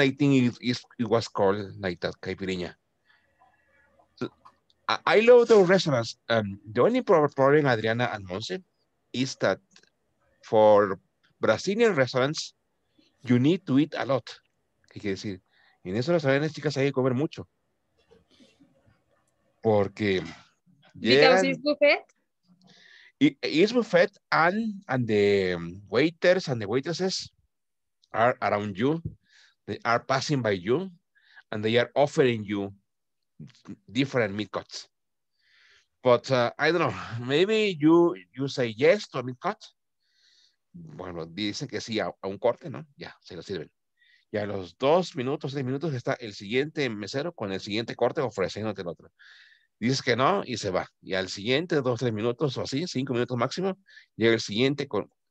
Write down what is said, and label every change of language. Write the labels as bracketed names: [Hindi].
[English] I think it was called like that, Caipirinha. So, I love those restaurants. The only problem, Adriana and Monse, is that for Brazilian restaurants, you need to eat a lot. [Spanish] ¿Qué quiere decir? En esos restaurantes, chicas, hay que comer mucho. Porque... [English] Because it's buffet? It's buffet and the waiters and the waitresses are around you. They are passing by you and they are offering you different meat cuts. But I don't know, maybe you say yes to a meat cut. [Spanish] Bueno, dicen que sí a un corte, ¿no? Ya, se lo sirven. Y a los 2 minutos, 3 minutos, está el siguiente mesero con el siguiente corte ofreciéndote el otro. Dices que no y se va. Y al siguiente 2, 3 minutos o así, 5 minutos máximo, llega el siguiente con...